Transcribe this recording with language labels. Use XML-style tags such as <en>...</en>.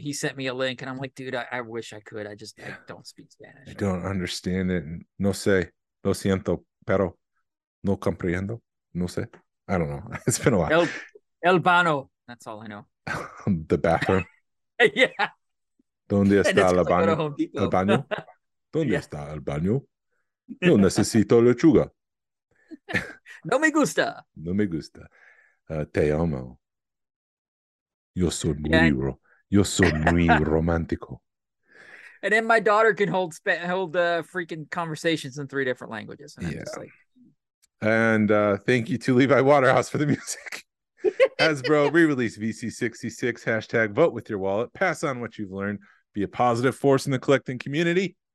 <en>He sent me a link and I'm like, dude, I wish I could. I don't speak Spanish. I don't understand it.</en> <es>No sé, lo siento, pero no comprendo. No sé.</es> <en>I don't know. It's been a while.</en> <es>El bano.</es> <en>That's all I know. The bathroom. Yeah.</en> <es>¿Dónde está el baño? El baño. ¿Dónde está el baño? No necesito lechuga. No me gusta. No me gusta. Te amo. Yo soy muy, yo soy muy romántico.</es> <en>And then my daughter can hold freaking conversations in three different languages. And yeah. Thank you to Levi Waterhouse for the music. Hasbro re-release VC66. Hashtag vote with your wallet. Pass on what you've learned. Be a positive force in the collecting community.</en>